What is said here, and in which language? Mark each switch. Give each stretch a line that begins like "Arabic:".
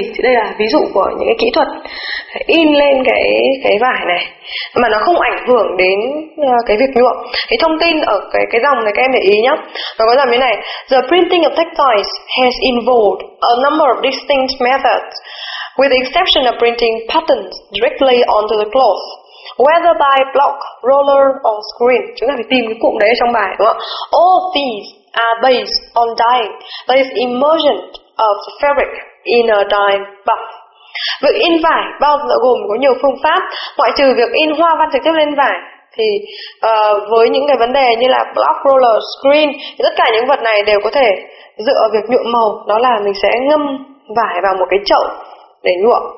Vietnamese: Thì đây là ví dụ của những cái kỹ thuật in lên cái vải này mà nó không ảnh hưởng đến cái việc nhuộm. Cái thông tin ở cái dòng này các em để ý nhá. Nó có dòng như này:
English: The printing of textiles has involved a number of distinct methods, with the exception of printing patterns directly onto the cloth, whether by block, roller or screen.
Vietnamese: Chúng ta phải tìm cái cụm đấy trong bài đúng không?
English: All these are based on dyeing, that is immersion of the fabric in a dyeing bath.
Vietnamese: Việc in vải bao gồm có nhiều phương pháp, ngoại trừ việc in hoa văn trực tiếp lên vải thì với những cái vấn đề như là block, roller, screen thì tất cả những vật này đều có thể dựa vào việc nhuộm màu, đó là mình sẽ ngâm vải vào một cái chậu để nhuộm.